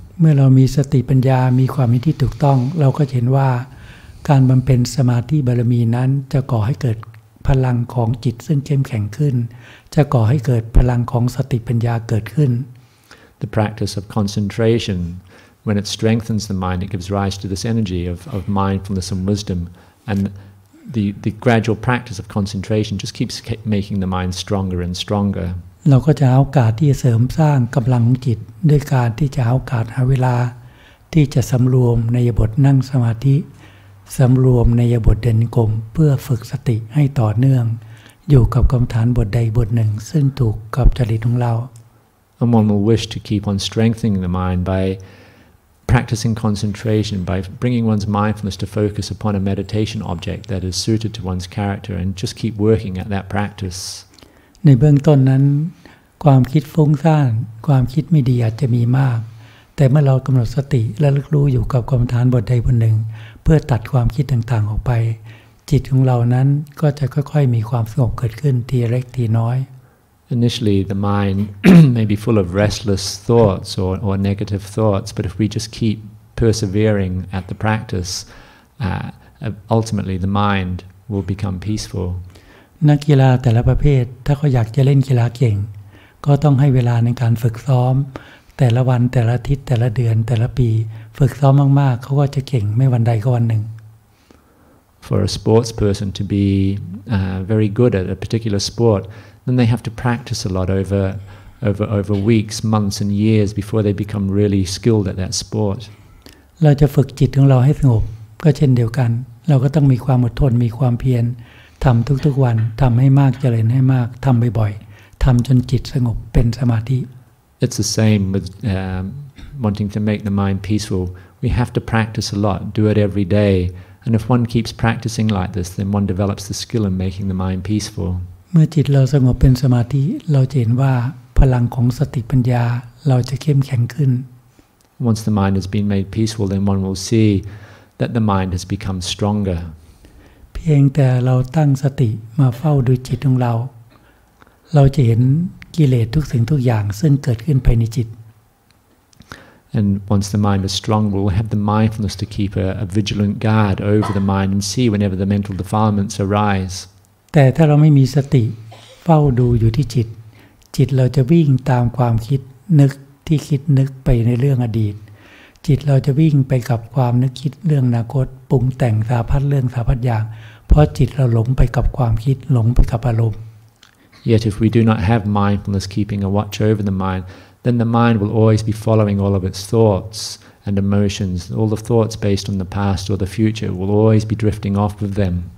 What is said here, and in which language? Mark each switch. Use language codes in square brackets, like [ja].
[th] เมื่อเรามีสติปัญญามีความเห็นที่ถูกต้องเราก็เห็นว่าการบำเพ็ญสมาธิบารมีนั้นจะก่อให้เกิดพลังของจิตซึ่งเข้มแข็งขึ้นจะก่อให้เกิดพลังของสติปัญญาเกิดขึ้น [en] The practice of concentration when it strengthens the mind it gives rise to this energy of mindfulness and wisdom and the gradual practice of concentration just keeps making the mind stronger and stronger [th] เราก็จะหาโอกาสที่จะเสริมสร้างกำลังของจิตด้วยการที่จะหาโอกาสหาเวลาที่จะสำรวมในบทนั่งสมาธิสำรวมในบทเดินกรมเพื่อฝึกสติให้ต่อเนื่องอยู่กับกรรมฐานบทใดบทหนึ่งซึ่งถูกกับจริตของเรา [en] And one will wish to keep on strengthening the mind by practicing concentration by bringing one's mindfulness to focus upon a meditation object that is suited to one's character and just keep working at that practice [th] ในเบื้องต้นนั้นความคิดฟุ้งซ่านความคิดไม่ดีอาจจะมีมากแต่เมื่อเรากำหนดสติและรู้อยู่กับกรรมฐานบทใดบทหนึ่งเพื่อตัดความคิดต่างๆออกไปจิตของเรานั้นก็จะค่อยๆมีความสงบเกิดขึ้นทีเล็กทีน้อย [en] Initially the mind may be full of restless thoughts or negative thoughts but if we just keep persevering at the practice ultimately the mind will become peaceful [th] นักกีฬาแต่ละประเภทถ้าเขาอยากจะเล่นกีฬาเก่งก็ต้องให้เวลาในการฝึกซ้อมแต่ละวันแต่ละอาทิตย์แต่ละเดือนแต่ละปีฝึกซ้อมมากๆเขาก็จะเก่งไม่วันใดก็วันหนึ่ง [en] For a sports person to be very good at a particular sport then they have to practice a lot over weeks months and years before they become really skilled at that sport [th] เราจะฝึกจิตของเราให้สงบก็เช่นเดียวกันเราก็ต้องมีความอดทนมีความเพียรทำทุกๆวันทำให้มากเจริญให้มากทำบ่อยๆทำจนจิตสงบเป็นสมาธิ [en] It's the same withwanting to make the mind peaceful, we have to practice a lot, do it every day. And if one keeps practicing like this, then one develops the skill in making the mind peaceful. [th] เมื่อจิตเราสงบเป็นสมาธิเราจะเห็นว่าพลังของสติปัญญาเราจะเข้มแข็งขึ้น [en] Once the mind has been made peaceful, then one will see that the mind has become stronger. [th] เพียงแต่เราตั้งสติมาเฝ้าดูจิตของเราเราจะเห็นกิเลสทุกสิ่งทุกอย่างซึ่งเกิดขึ้นภายในจิต [en] And once the mind is strong, we'll have the mindfulness to keep a vigilant guard over the mind and see whenever the mental defilements arise. [th] แต่ถ้าเราไม่มีสติเฝ้าดูอยู่ที่จิตจิตเราจะวิ่งตามความคิดนึกที่คิดนึกไปในเรื่องอดีตจิตเราจะวิ่งไปกับความนึกคิดเรื่องอนาคตปรุงแต่งสารพัดเรื่องสารพัดอย่างเพราะจิตเราหลงไปกับความคิดหลงไปกับอารมณ์ [en] Yet if we do not have mindfulness keeping a watch over the mindthen the mind will always be following all of its thoughts and emotions. All the thoughts based on the past or the future will always be drifting off with them.